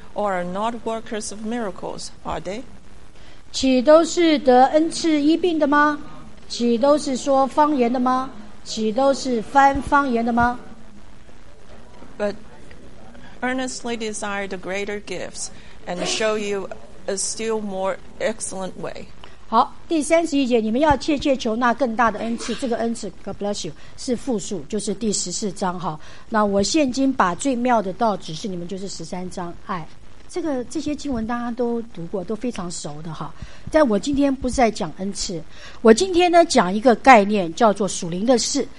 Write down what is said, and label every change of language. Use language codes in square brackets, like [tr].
[en] Or are not workers of miracles, are they? [zh] 岂都是得恩赐医病的吗？岂都是说方言的吗？岂都是翻方言的吗？ [en] But earnestly desire the greater gifts and show you a still more excellent way. [zh] 好，第三十一节，你们要切切求那更大的恩赐。这个恩赐 [en] God bless you [zh] 是复数，就是第十四章。好，那我现今把最妙的道指示你们，就是十三章爱。这些经文大家都读过，都非常熟的哈。但我今天不是在讲恩赐，我今天呢讲一个概念，叫做属灵的事。